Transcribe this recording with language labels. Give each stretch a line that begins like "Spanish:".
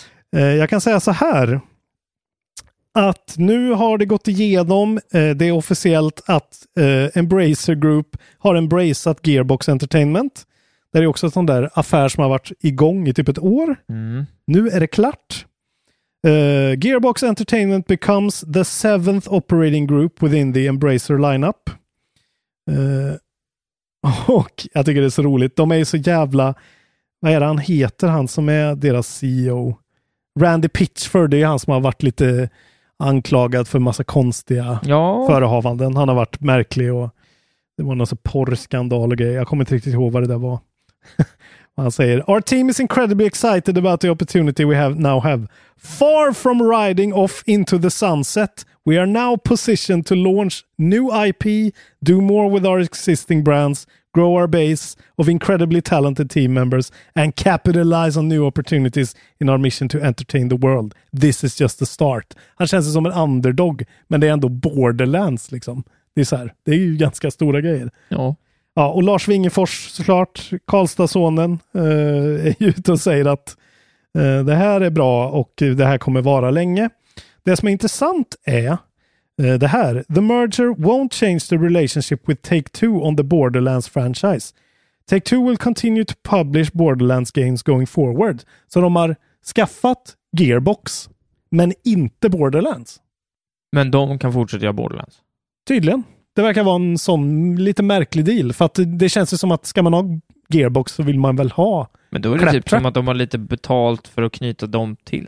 Swedish: Jag kan säga så här. Att nu har det gått igenom, det är officiellt att Embracer Group har embraceat Gearbox Entertainment. Det är också en sån där affär som har varit igång i typ ett år. Mm. Nu är det klart.
English: Gearbox Entertainment becomes the 7th operating group within the Embracer lineup.
Swedish: Och jag tycker det är så roligt. De är ju så jävla... Vad är det han heter? Han som är deras CEO. Randy Pitchford, det är han som har varit lite anklagad för massa konstiga förehavanden. Han har varit märklig och det var någon sån porrskandal och grej. Jag kommer inte riktigt ihåg vad det där var. Han säger,
English: our team is incredibly excited about the opportunity we have now have. Far from riding off into the sunset, we are now positioned to launch new IP, do more with our existing brands, grow our base of incredibly talented team members and capitalize on new opportunities in our mission to entertain the world. This is just the start.
Swedish: Han känns som en underdog, men det är ändå Borderlands liksom. Det är så här, det är ju ganska stora grejer. Ja. Ja, och Lars Wingefors såklart, Karlstadssonen, är ute och säger att det här är bra och det här kommer vara länge. Det som är intressant är det här.
English: The merger won't change the relationship with Take-Two on the Borderlands franchise. Take-Two will continue to publish Borderlands games going forward.
Swedish: Så de har skaffat Gearbox, men inte Borderlands. Men de kan fortsätta göra Borderlands. Tydligen. Det verkar vara en sån lite märklig deal. För att det känns ju som att ska man ha Gearbox så vill man väl ha. Men då är det Klättra. Typ som att de har lite betalt för att knyta dem till.